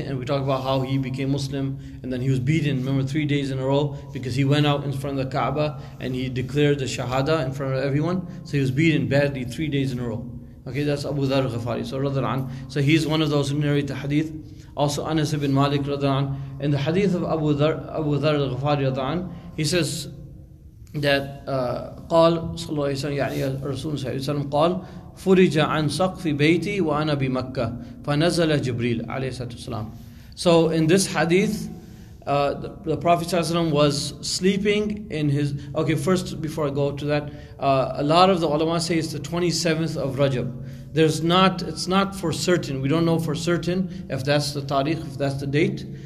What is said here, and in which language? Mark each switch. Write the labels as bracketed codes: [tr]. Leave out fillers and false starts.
[en] And we talk about how he became Muslim, and then he was beaten, remember, 3 days in a row, because he went out in front of the Kaaba and he declared the Shahada in front of everyone. So he was beaten badly 3 days in a row. Okay, that's Abu Dharr al-Ghifari. So he's one of those who narrate the hadith. Also Anas ibn Malik radhiyallahu anhu. In the hadith of Abu Dharr al-Ghifari radhiyallahu anhu, he says that [ar] قال صلى الله عليه وسلم يعني الرسول صلى الله عليه وسلم قال فرج عن سقف بيتي وأنا بمكة فنزل جبريل عليه الصلاة والسلام. [en] So in this hadith, the Prophet صلى الله عليه وسلم was sleeping in his. Okay, first before I go to that, a lot of the ulama say it's the 27th of Rajab. It's not for certain. We don't know for certain if that's the tariq, if that's the date.